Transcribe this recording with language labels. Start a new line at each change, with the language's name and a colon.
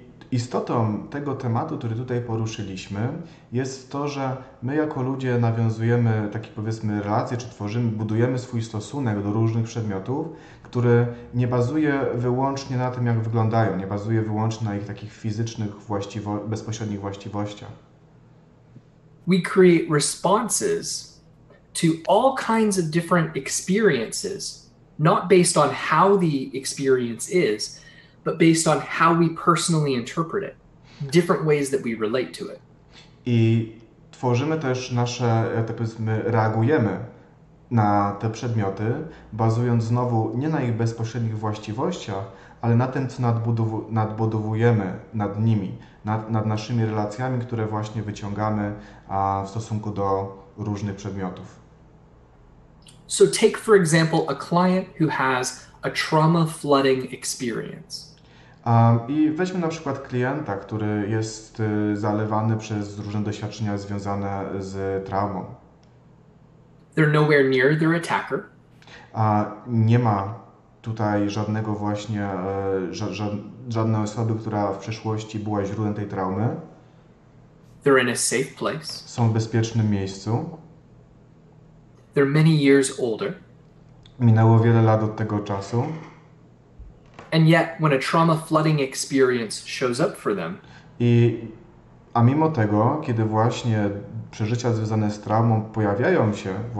Polish: Istotą tego tematu, który tutaj poruszyliśmy, jest to, że my jako ludzie nawiązujemy takie, powiedzmy, relacje, czy tworzymy, budujemy swój stosunek do różnych przedmiotów, który nie bazuje wyłącznie na tym, jak wyglądają, nie bazuje wyłącznie na ich takich fizycznych, bezpośrednich właściwościach.
English: We create responses to all kinds of different experiences, not based on how the experience is, but based on how we personally interpret it, different ways that we relate to it.
Polish: I tworzymy też nasze, powiedzmy, reagujemy na te przedmioty, bazując znowu nie na ich bezpośrednich właściwościach, ale na tym, co nadbudowujemy nad nimi, nad naszymi relacjami, które właśnie wyciągamy w stosunku do różnych przedmiotów.
English: So take, for example, a client who has a trauma flooding experience.
Polish: I weźmy na przykład klienta, który jest zalewany przez różne doświadczenia związane z traumą.
English: They're nowhere near their attacker.
Polish: Nie ma tutaj żadnego właśnie, żadnej osoby, która w przeszłości była źródłem tej traumy.
English: They're in a safe place.
Polish: Są w bezpiecznym miejscu.
English: They're many years older.
Polish: Minęło wiele lat od tego czasu.
English: And yet, when a trauma flooding experience shows up for them,
Polish: a mimo tego, kiedy właśnie przeżycia związane z traumą pojawiają się,